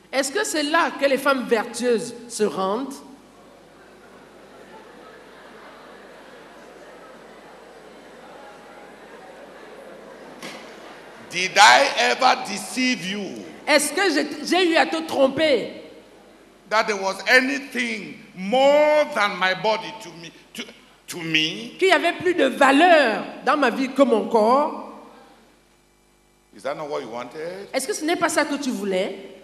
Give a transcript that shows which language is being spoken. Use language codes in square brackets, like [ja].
[fr] Est-ce que c'est là que les femmes vertueuses se rendent? [en] Did I ever deceive you? [fr] Est-ce que j'ai eu à te tromper? [en] That there was anything more than my body to me? [fr] Qu'il y avait plus de valeur dans ma vie que mon corps? [en] Is that not what you wanted? [fr] Est-ce que ce n'est pas ça que tu voulais?